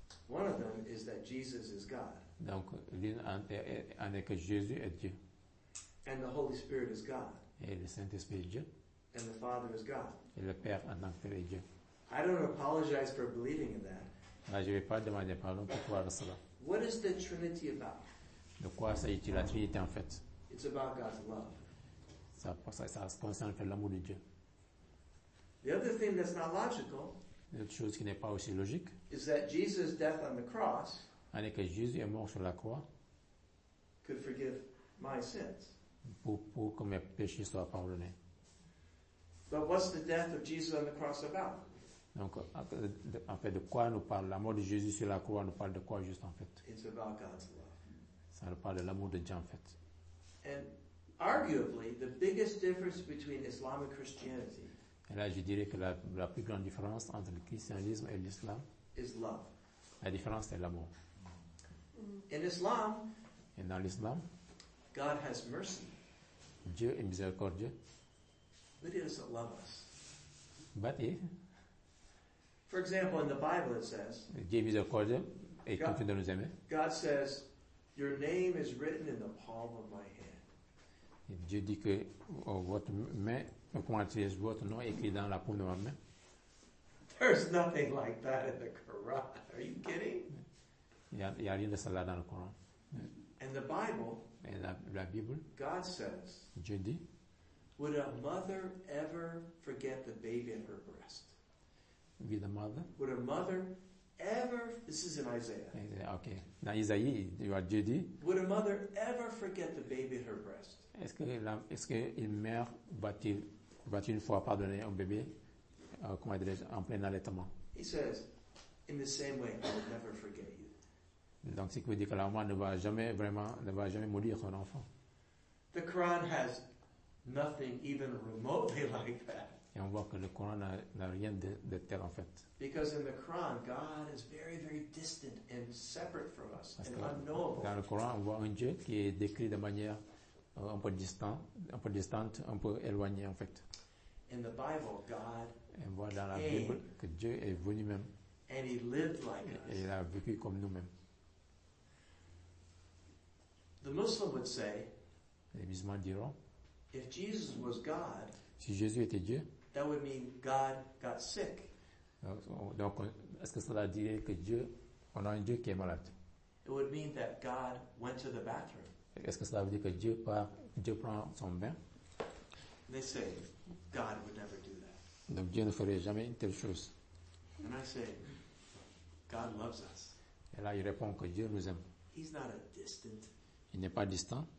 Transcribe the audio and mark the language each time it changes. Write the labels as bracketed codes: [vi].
[en] One of them is that Jesus is God. [fr] Donc l'une en est que Jésus est Dieu. [en] And the Holy Spirit is God. [fr] Et le Saint-Esprit est Dieu. [en] And the Father is God. [fr] Et le Père en tant que Père est Dieu. [en] I don't apologize for believing in that. [fr] Là, je ne vais pas demander pardon pour croire cela. [en] What is the Trinity about? [fr] De quoi s'agit-il la Trinité en fait? [en] It's about God's love. [fr] Ça se concerne avec l'amour de Dieu. [en] The other thing that's not logical. [fr] L'autre chose qui n'est pas aussi logique. [en] Is that Jesus' death on the cross? [fr] En est que Jésus est mort sur la croix. [en] Could forgive my sins. [fr] Pour que mes péchés soient pardonnés. [en] But what's the death of Jesus on the cross about? [fr] Donc, en fait, de quoi nous parle? La mort de Jésus sur la croix nous parle de quoi, juste, en fait? [en] It's about God's love. [fr] Ça nous parle de l'amour de Dieu, en fait. [en] And arguably, the biggest difference between Islam and Christianity [fr] et là, je dirais que la plus grande différence entre le christianisme et l'islam [en] is love. [fr] La différence, c'est l'amour. [en] In Islam, [fr] et dans l'islam, [en] God has mercy. [fr] Dieu est miséricordieux. [en] But he doesn't love us. But he. For example, in the Bible it says, [fr] Dieu est miséricordieux et continue de nous aimer. [en] God says, your name is written in the palm of my hand. [fr] Et Dieu dit que votre main, votre nom est écrit dans la paume de ma main. [en] There's nothing like that in the Quran. Are you kidding? [fr] Il y a rien de cela dans le Coran. [en] And the Bible, [fr] et la Bible, [en] God says, [fr] Dieu dit, [en] would a mother ever forget the baby in her breast? With the mother? Would a mother ever, this is in Isaiah. [fr] Okay. Dans Isaïe, Dieu dit, [en] would a mother ever forget the baby in her breast? [fr] Est-ce que une mère va-t-il une fois pardonner un bébé en plein allaitement? [en] He says, in the same way, I would never forget you. [fr] Donc, ce qui veut dire que la maman ne va jamais maudire son enfant. [en] The Quran has nothing even remotely like that. [fr] Et on voit que le Coran n'a rien de tel en fait. [en] Because in the Quran, God is very, very distant and separate from us, [fr] parce [en] and unknowable. [fr] Dans le Coran, on voit un Dieu qui est décrit de manière un peu distante, un peu éloignée en fait. [en] In the Bible, God [fr] et on voit dans la Bible que Dieu est venu même. [en] And he lived like [fr] et [en] us. [fr] Il a vécu comme nous-mêmes. [en] The Muslim would say, [fr] les musulmans diront, [en] if Jesus was God, [fr] si Jésus était Dieu, [en] that would mean God got sick. [fr] Donc, est-ce que cela dirait que Dieu, on a un Dieu qui est malade? [en] It would mean that God went to the bathroom. [fr] Est-ce que cela veut dire que Dieu prend son bain? [en] They say, God would never do that. [fr] Donc, Dieu ne ferait jamais une telle chose. [en] And I say, God loves us. [fr] Et là, il répond que Dieu nous aime. [en] He's not a distant. [fr] Il n'est pas distant.